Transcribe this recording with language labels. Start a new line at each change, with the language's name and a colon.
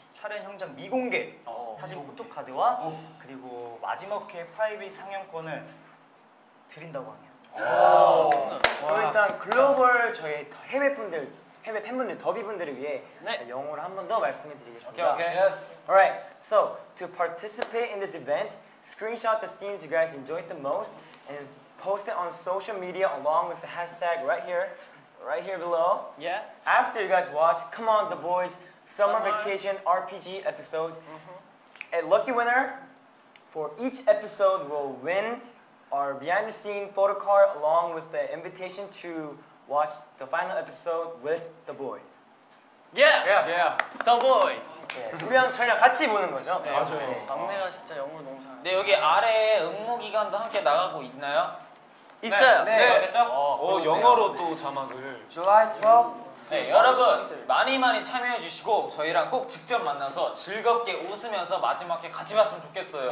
Korean: 촬영 현장 미공개 오, 사진 오토카드와 그리고 마지막 회 프라이빗 상영권을 드린다고 하네요. 그럼 일단 글로벌 저희 해외 분들 해외 팬분들, 더비분들을 위해 네. 영어로 한 번 더 말씀해 드리겠습니다. 오케이, 오케이.
English: Yes. Alright, so to participate in this event, screenshot the scenes you guys enjoyed the most and post it on social media along with the hashtag right here below. Yeah. After you guys watch Come On The Boys Summer Vacation RPG episodes, a lucky winner For each episode, we'll win our behind-the-scenes photo card along with the invitation to watch the final episode with the boys. Yeah! Yeah! Yeah. The boys!
Korean: 우리랑 저희랑 같이 보는 거죠? 네, 맞아요. 네. 막내가 진짜 영어를 너무 잘해. 네, 여기 아래 응모 기간도 함께 나가고 있나요? 있어요. 네, 맞죠? 네. 어, 영어로 또 자막을.
English: July 12th.
Korean: 네, 여러분 많이 많이 참여해 주시고 저희랑 꼭 직접 만나서 즐겁게 웃으면서 마지막에 같이 봤으면 좋겠어요.